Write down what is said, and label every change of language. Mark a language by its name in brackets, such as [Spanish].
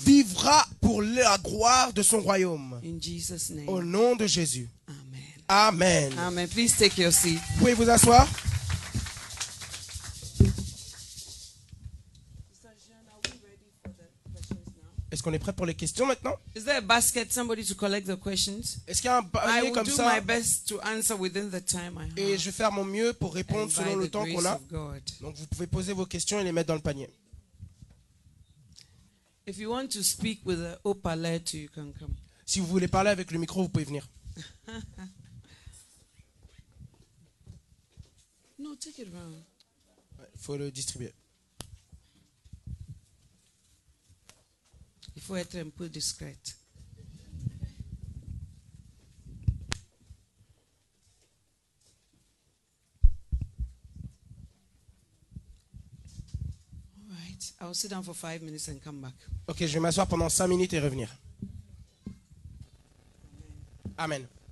[French] Vivra pour la gloire de son royaume. [English] In Jesus' name. [French] Au nom de Jésus. Amen. Amen. [English] Amen. Please take your seat. [French] Vous pouvez vous asseoir. Est-ce qu'on est prêt pour les questions maintenant? [English] Is there a basket somebody to collect the questions? [French] Est-ce qu'il y a un panier comme ça? [English] I will do my best to answer within the time I have. [French] Et je vais faire mon mieux pour répondre selon le temps qu'on a. [English] God. [French] Donc vous pouvez poser vos questions et les mettre dans le panier. [English] If you want to speak with the upper letter, you can come. [French] Si vous voulez parler avec le micro, vous pouvez venir. [English] No, take it around. [French] Il faut le distribuer. Il faut être un peu discrète. [English] All right, I'll sit down for 5 minutes and come back. [French] Ok, je vais m'asseoir pendant 5 minutes et revenir. Amen.